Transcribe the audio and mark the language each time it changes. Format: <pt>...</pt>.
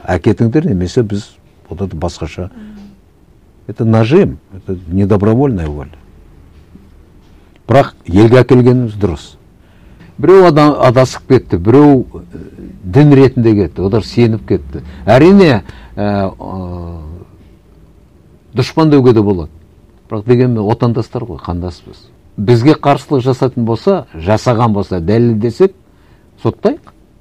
<kk>Әкетіңдер немесе біз одарды басқаша.</kk> <ru>Это нажим, это недобровольная воля.</ru> <kk>Бірақ елге әкелгеніміз дұрыс. Біреу адасып кетті, біреу дін ретінде кетті, олар сеніп кетті. Әрине, дұшпан деуге де болады. Бірақ дегенмен отандастар ғой, қандаспыз. Бізге қарсылық жасатын болса, жасаған болса, дәлелдесек, соттайық.</kk>